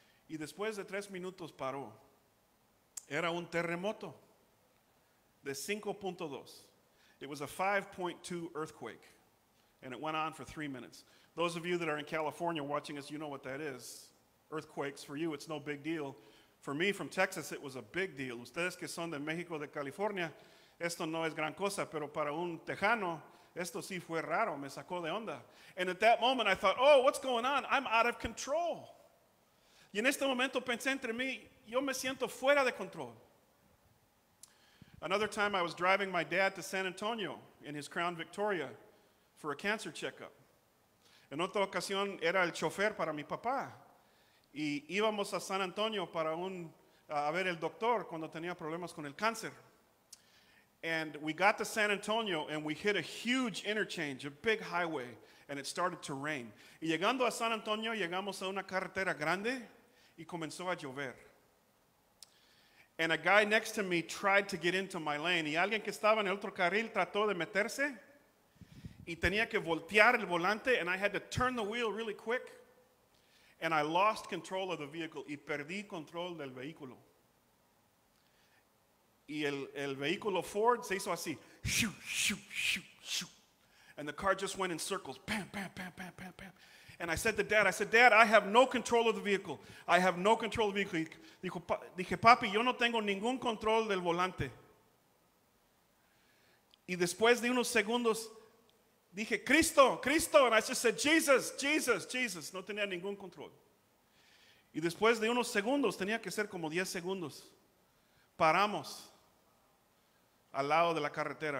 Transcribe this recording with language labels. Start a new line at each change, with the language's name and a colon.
Spanish: Y después de tres minutos paró. Era un terremoto de 5.2.
English: It was a 5.2 earthquake. And it went on for 3 minutes. Those of you that are in California watching us, you know what that is. Earthquakes, for you, it's no big deal. For me, from Texas, it was a big deal.
Spanish: Ustedes que son de México, de California, esto no es gran cosa, pero para un tejano, esto sí fue raro, me sacó de onda.
English: And at that moment, I thought, oh, what's going on? I'm out of control.
Spanish: Y en este momento pensé entre mí, yo me siento fuera de control.
English: Another time, I was driving my dad to San Antonio in his Crown Victoria for a cancer checkup.
Spanish: En otra ocasión, era el chofer para mi papá. Y íbamos a San Antonio para a ver el doctor cuando tenía problemas con el cáncer.
English: And we got to San Antonio and we hit a huge interchange, a big highway, and it started to rain.
Spanish: Y llegando a San Antonio, llegamos a una carretera grande y comenzó a llover.
English: And a guy next to me tried to get into my lane.
Spanish: Y alguien que estaba en el otro carril trató de meterse y tenía que voltear el volante,
English: and I had to turn the wheel really quick. And I lost control of the vehicle.
Spanish: Y perdí control del vehículo. Y el vehículo Ford se hizo así. Shoo, shoo, shoo, shoo.
English: And the car just went in circles. Bam, bam, bam, bam, bam, bam. And I said to Dad, I have no control of the vehicle. I have no control of the vehicle.
Spanish: Dije, papi, yo no tengo ningún control del volante. Y después de unos segundos, dije, Cristo, Cristo.
English: And I just said, Jesus, Jesus, Jesus.
Spanish: No tenía ningún control. Y después de unos segundos, tenía que ser como 10 segundos, paramos al lado de la carretera.